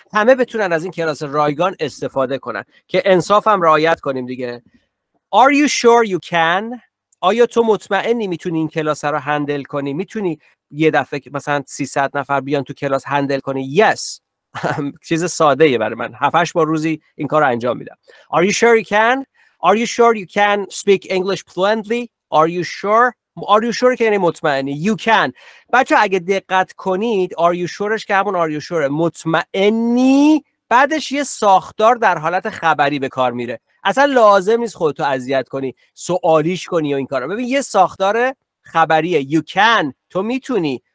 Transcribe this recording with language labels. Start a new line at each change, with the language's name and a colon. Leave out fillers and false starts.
Persian: همه بتونن از این کلاس رایگان استفاده کنن که انصاف هم رعایت کنیم دیگه.
English: Are you sure you can؟
Persian: آیا تو مطمئنی میتونی این کلاس رو هندل کنی؟ میتونی یه دفعه مثلا 300 نفر بیان تو کلاس هندل کنی؟ Yes. چیز ساده یه برای من. 7-8 بار روزی این کار رو انجام میدم.
English: Are you sure you can؟ Are you sure you can speak English fluently؟ Are you sure
Persian: که یعنی مطمئنی؟
English: You can.
Persian: بچه اگه دقت کنید Are you sureش که همون Are you sure مطمئنی؟ بعدش یه ساختار در حالت خبری به کار میره. اصلا لازم نیست خودتو اذیت کنی سوالیش کنی و این کارا. ببین یه ساختار خبریه.
English: You can،
Persian: تو میتونی.